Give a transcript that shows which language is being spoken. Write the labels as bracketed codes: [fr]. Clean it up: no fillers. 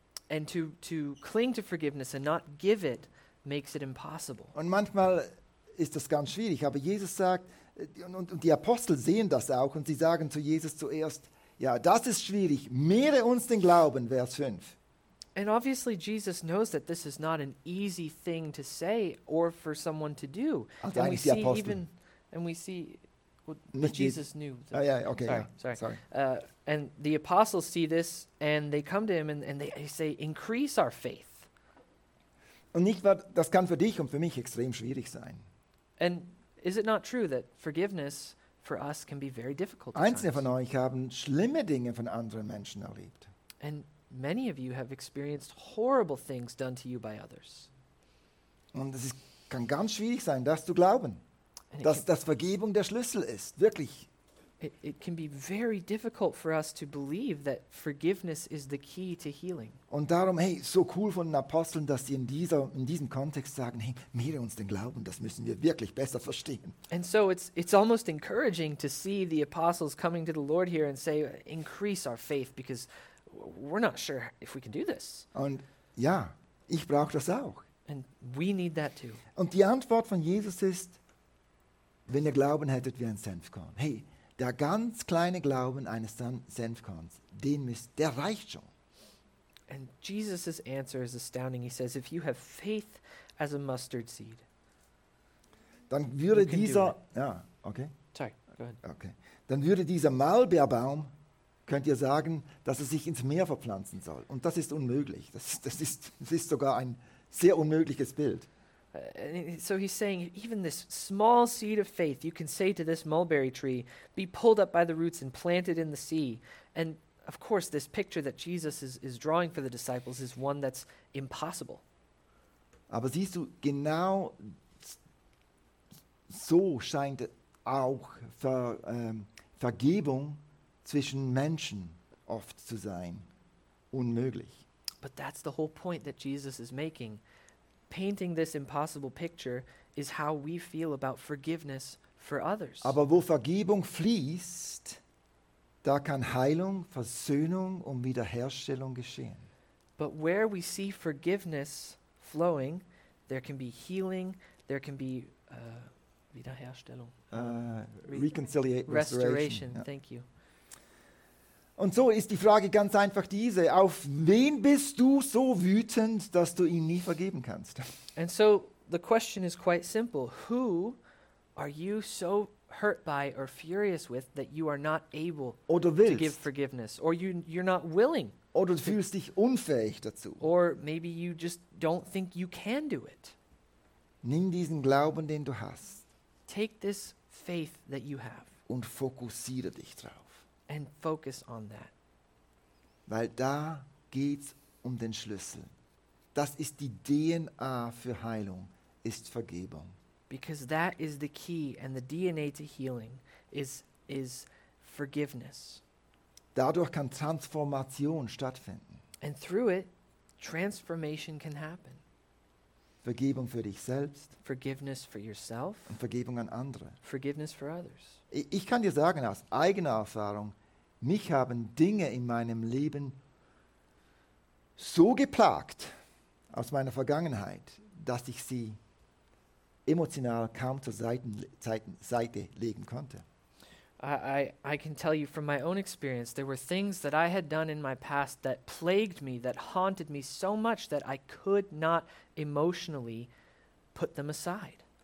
[en] And to cling to forgiveness and not give it makes it impossible. [de] Und manchmal ist das ganz schwierig, aber Jesus sagt, und die Apostel sehen das auch, und sie sagen zu Jesus zuerst, ja, das ist schwierig, mehre uns den Glauben, Vers 5. [en] And obviously Jesus knows that this is not an easy thing to say or for someone to do. [de] Also [en] and we see Apostel. Even, and we see, well, but Jesus knew. Oh yeah, okay. Sorry. And the apostles see this and they come to him and they say, increase our faith. [de] Und nicht wahr, das kann für dich und für mich extrem schwierig sein. [en] And is it not true that forgiveness for us can be very difficult? [de] Einzelne von euch haben schlimme Dinge von anderen Menschen erlebt. [en] And many of you have experienced horrible things done to you by others. [de] Und es kann ganz schwierig sein, das zu glauben, dass Vergebung der Schlüssel ist, wirklich. [en] It can be very difficult for us to believe that forgiveness is the key to healing. [de] Und darum, hey, so cool von den Aposteln, dass sie in diesem Kontext sagen, hey, mehre uns den Glauben, das müssen wir wirklich besser verstehen. [en] And so it's almost encouraging to see the apostles coming to the Lord here and say, increase our faith, because we're not sure if we can do this. [de] Und ja, ich brauche das auch. [en] And we need that too. [de] Und die Antwort von Jesus ist, wenn ihr Glauben hättet wie ein Senfkorn. Hey, der ganz kleine Glauben eines Senfkorns, der reicht schon. [en] And Jesus' answer is astounding. He says, if you have faith as a mustard seed, [de] dann würde dieser, ja, okay. [en] Sorry, go ahead. Okay. [de] Dann würde dieser Maulbeerbaum, könnt ihr sagen, dass er sich ins Meer verpflanzen soll. Und das ist unmöglich. Das ist sogar ein sehr unmögliches Bild. [en] So he's saying, even this small seed of faith, you can say to this mulberry tree, be pulled up by the roots and planted in the sea. And of course, this picture that Jesus is drawing for the disciples is one that's impossible. [de] Aber siehst du, genau so scheint auch Vergebung zwischen Menschen oft zu sein, unmöglich. [en] But that's the whole point that Jesus is making. Painting this impossible picture is how we feel about forgiveness for others. [de] Aber wo Vergebung fließt, da kann Heilung, Versöhnung und Wiederherstellung geschehen. [en] But where we see forgiveness flowing, there can be healing, there can be Wiederherstellung. Reconciliation. Restoration, yeah. Thank you. [de] Und so ist die Frage ganz einfach diese: Auf wen bist du so wütend, dass du ihn nie vergeben kannst? [en] And so the question is quite simple: Who are you so hurt by or furious with that you are not able to give forgiveness, or you're not willing? [de] Oder du fühlst dich unfähig dazu? [en] Or maybe you just don't think you can do it. [de] Nimm diesen Glauben, den du hast. [en] Take this faith that you have. [de] Und fokussiere dich drauf. [en] And focus on that. [de] Weil da geht's um den Schlüssel. Das ist die DNA für Heilung, ist Vergebung. [en] Because that is the key, and the DNA to healing is forgiveness. [de] Dadurch kann Transformation stattfinden. [en] And through it, transformation can happen. [de] Vergebung für dich selbst. [en] Forgiveness for yourself. [de] Und Vergebung an andere. [en] Forgiveness for others. [de] Ich kann dir sagen, aus eigener Erfahrung, mich haben Dinge in meinem Leben so geplagt aus meiner Vergangenheit, dass ich sie emotional kaum zur Seite legen konnte. [en] I can tell you from my own experience, there were things that I had done in my past that plagued me, that haunted me so much that I could not emotionally put them aside.